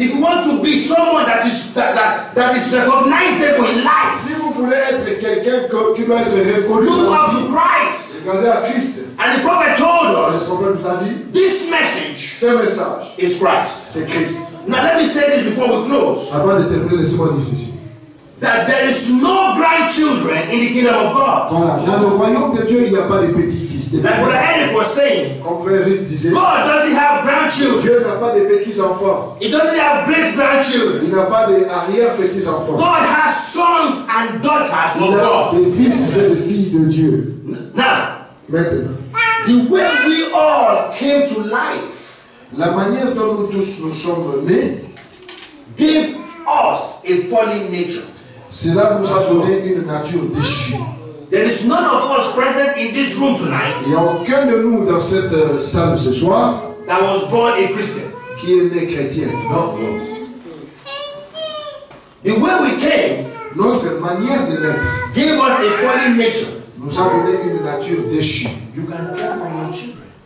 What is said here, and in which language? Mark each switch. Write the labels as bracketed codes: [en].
[en] If you want to be someone that is recognizable in life, [fr] si vous voulez être quelqu'un qui doit être reconnu, [en] look up to Christ. [fr] Regardez à Christ. [en] And the prophet told us, [fr] le prophète nous a dit, [en] this message, [fr] ce message, [en] is Christ. [fr] C'est Christ. [en] Now let me say this before we close. [fr] Avant de terminer, laissez-moi dire ceci. [en] That there is no grandchildren in the kingdom of God. [fr] Voilà, dans le royaume de Dieu, il n'y a pas de petits-fils. [en] Like what Eric was saying. [fr] Comme Frère Eric disait. [en] God doesn't have grandchildren. [fr] Dieu n'a pas de petits-enfants. [en] He doesn't have great grandchildren. [fr] Il n'a pas de arrière-petits-enfants. [en] God has sons and daughters of God. [fr] Il a des fils et des filles de Dieu. [en] Now, [fr] maintenant, [en] the way we all came to life, [fr] la manière dont nous tous nous sommes nés, [en] gave us a fallen nature. [fr] Cela nous a donné une nature déchue. [en] There is none of us present in this room tonight. [fr] Il n'y a aucun de nous dans cette salle ce soir. [en] That was born a Christian. [fr] Qui est né chrétien. Non. [en] The way we came. [fr] Notre manière de naître. [en] Gave us a fallen nature. [fr] Nous a donné une nature déchue. [en] You can tell from your children.